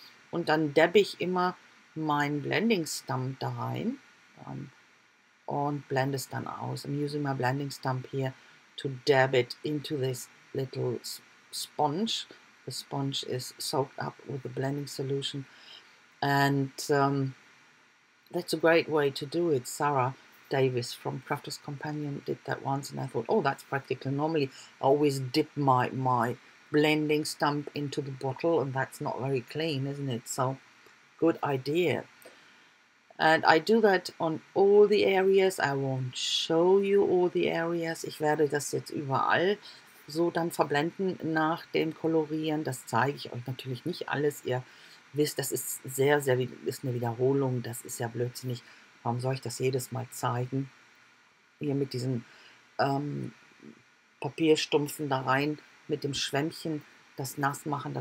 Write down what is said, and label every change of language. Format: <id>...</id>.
<de>Und dann dabbe ich immer mein Blending Stump da rein und blende es dann aus.</de> <en>I'm using my blending stump here to dab it into this little sponge. The sponge is soaked up with the blending solution and that's a great way to do it. Sarah Davis from Crafters Companion did that once and I thought, oh, that's practical. Normally I always dip my blending stump into the bottle and that's not very clean, isn't it? So good idea. And I do that on all the areas. I won't show you all the areas.</en> <de>Ich werde das jetzt überall so dann verblenden nach dem Kolorieren. Das zeige ich euch natürlich nicht alles. Ihr wisst, das ist sehr, sehr, ist eine Wiederholung. Das ist ja blödsinnig. Warum soll ich das jedes Mal zeigen? Hier mit diesen Papierstumpfen da rein, mit dem Schwämmchen, das nass machen.</de>